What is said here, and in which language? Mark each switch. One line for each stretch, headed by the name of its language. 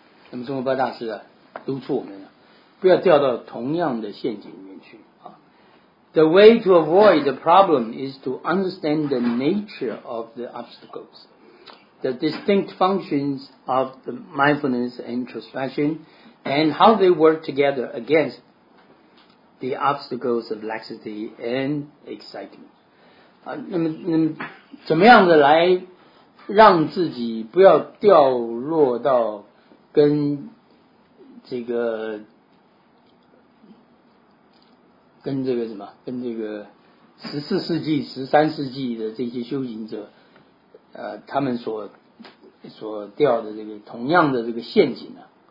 Chinese: 那么宗喀巴大师啊督促我们啊，不要掉到同样的陷阱里面去啊。
English: The way to avoid the problem is to understand the nature of the obstacles, the distinct functions of the mindfulness and introspection, and how they work together against the obstacles of laxity and excitement。
Chinese: 啊，那么怎么样的来让自己不要掉落到跟这个什么，跟这个14世纪、13世纪的这些修行者，他们所掉的这个同样的这个陷阱呢、啊？